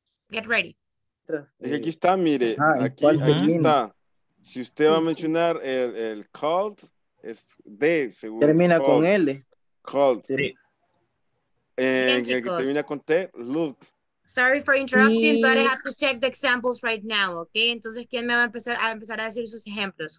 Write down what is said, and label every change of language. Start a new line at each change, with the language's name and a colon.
English: Get ready.
Spanish: Aquí está, mire, aquí está. Si usted va a mencionar el cult, es D, seguro. Termina con L.
English: Cult.
Spanish: Sí. Bien, chicos. El que termina con T, look.
English: Sorry for interrupting, but I have to check the examples right now, okay?
Spanish: Entonces, ¿quién me va a empezar a decir sus ejemplos?